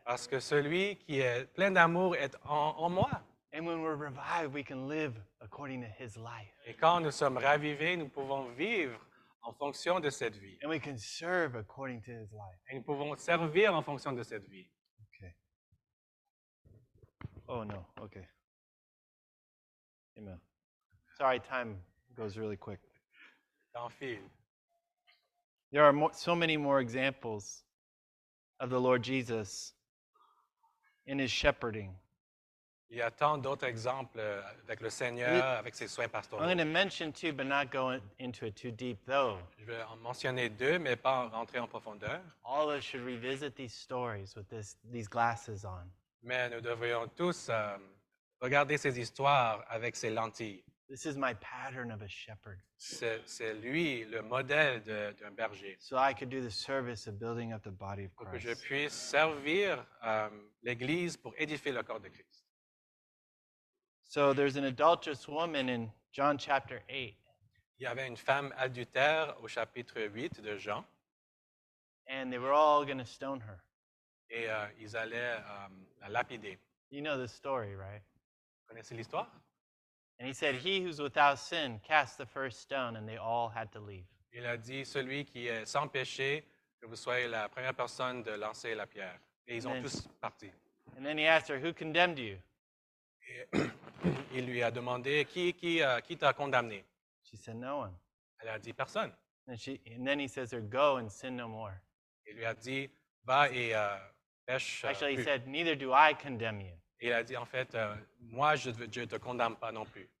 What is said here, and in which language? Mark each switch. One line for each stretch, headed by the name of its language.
French: Parce que celui qui est plein d'amour est en moi.
English: And when we're revived, we can live according to his life.
French: Et quand nous sommes ravivés, nous pouvons vivre en fonction de cette vie.
English: And we can serve according to his life.
French: Et nous pouvons servir en fonction de cette vie.
English: Okay. Oh no. Okay. Amen. Sorry, time goes really quick.
French: Tant pis.
English: There are so many more examples of the Lord Jesus in his shepherding.
French: Il y a tant d'autres exemples avec le Seigneur, avec ses soins pastoraux.
English: I'm going to mention two, but not go into it too deep, though.
French: Je vais en mentionner deux, mais pas rentrer en profondeur.
English: All of us should revisit these stories with these glasses on.
French: Mais nous devrions tous regarder ces histoires avec ces lentilles.
English: This is my pattern of a shepherd.
French: C'est lui le modèle d'un berger.
English: So I could do the service of building up the body of Christ.
French: Pour que je puisse servir l'Église pour édifier le corps de Christ.
English: So there's an adulterous woman in John chapter 8.
French: Il y avait une femme adultère au chapitre 8 de Jean.
English: And they were all going to stone her.
French: Et ils allaient la lapider.
English: You know the story, right?
French: Vous connaissez l'histoire?
English: And he said, "He who's without sin, cast the first stone," and they all had to leave.
French: Il a dit, celui qui est sans péché, que vous soyez la première personne de lancer la pierre. Et ils ont tous parti.
English: And then he asked her, "Who condemned you?"
French: Et il lui a demandé, qui t'a condamné?
English: She said, "No one."
French: Elle a dit, personne.
English: And then he says, "Go and sin no more."
French: Il lui a dit, va et pêche.
English: Actually,
French: plus.
English: He said, "Neither do I condemn you."
French: Il a dit, en fait, moi, je ne te condamne pas non plus.